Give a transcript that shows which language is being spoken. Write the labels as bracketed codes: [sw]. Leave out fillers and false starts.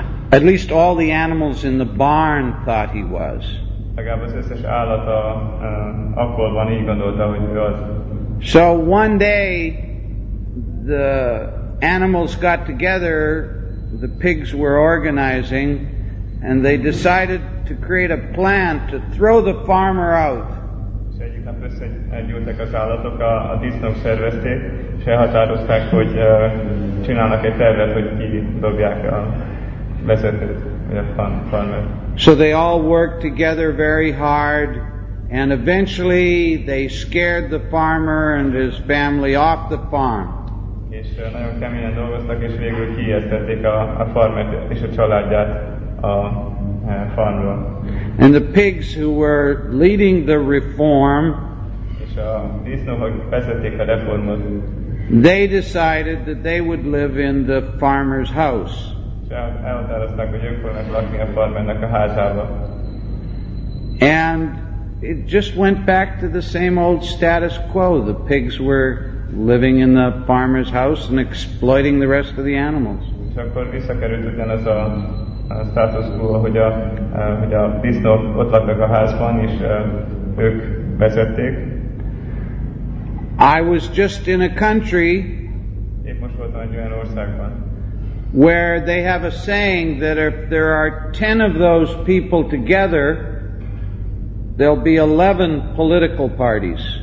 [en] At least all the animals in the barn thought he was. [hu] Legalább az összes állat a akkorban így gondolta, hogy ő az. [en] So one day the animals got together, the pigs were organizing, and they decided to create a plan to throw the farmer out. [hu] És egyik nap összegyűltek az állatok, a disznók szervezték, és elhatározták, hogy csinálnak egy tervet, hogy kidobják a vezetőt, vagy a farmert. [en] So they all worked together very hard. And eventually they scared the farmer and his family off the farm. [hu] És nagyon keményen dolgoztak, és végül kiértették a farmert és a családját a farmról. [en] And the pigs who were leading the reform, [hu] és a disznók vezették a reformot, [en] they decided that they would live in the farmer's house. [hu] És elhatározták, hogy ők fognak lakni a farmernek a házába. [en] And it just went back to the same old status quo. The pigs were living in the farmer's house and exploiting the rest of the animals. [hu] És akkor visszakerült ugyanaz a status quo, hogy a disznók ott laknak a házban, és ők vezették. [en] I was just in a country. [hu] Épp most voltam egy olyan országban. [en] Where they have a saying that if there are 10 of those people together, there'll be 11 political parties.